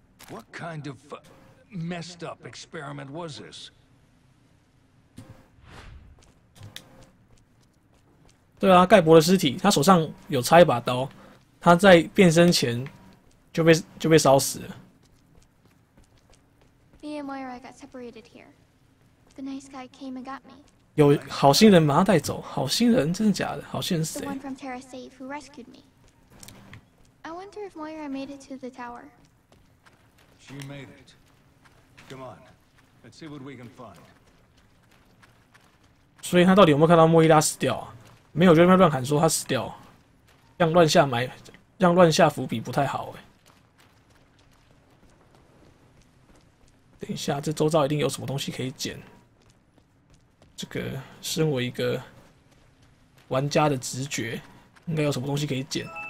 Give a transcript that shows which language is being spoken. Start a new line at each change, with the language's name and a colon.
English: What kind of messed up experiment was this?
Chinese: 对啊，盖博的尸体，他手上有插一把刀，他在变身前就被烧死了。
English: Me and Moira got separated here. The nice guy came and got me.
Chinese: 有好心人把他带走，好心人真的假的？好心人是谁？
English: The one from Terra Safe who rescued me. I wonder if Moira made it to the tower. She made it. Come on, let's see what we can find.
Chinese: 所以他到底有没有看到莫伊拉死掉啊？没有，就在那乱喊说他死掉，让乱下伏笔不太好欸。等一下，这周遭一定有什么东西可以捡。这个身为一个玩家的直觉，应该有什么东西可以捡？